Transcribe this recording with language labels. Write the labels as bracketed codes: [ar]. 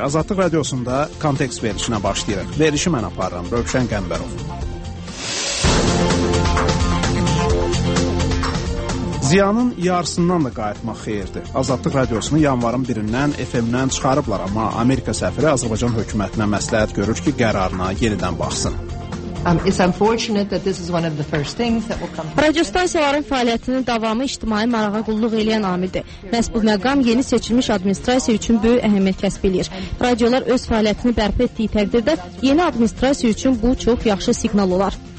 [az] Azadlıq Radiosunda kontekst verişinə başlayırıq. Verişi mən aparıram, Rövşən Qəmbərov. Ziyanın yarısından da qayıtmaq xeyirdir. Azadlıq Radiosunu yanvarın 1-dən FM-dən çıxarıblar, amma Amerika səfiri Azərbaycan hökumətinə məsləhət görür ki, qərarına yenidən baxsın. [en] It's unfortunate that this is one of the first things that will come. [az] Radiostansiyaların fəaliyyətinin davamı ictimai marağa qulluq eləyən amildir. Məhz bu məqam yeni seçilmiş administrasiya üçün böyük əhəmiyyət kəsb eləyir. Radiolar öz fəaliyyətini bərpa etdiyi təqdirdə yeni administrasiya üçün bu çox yaxşı siqnal olar.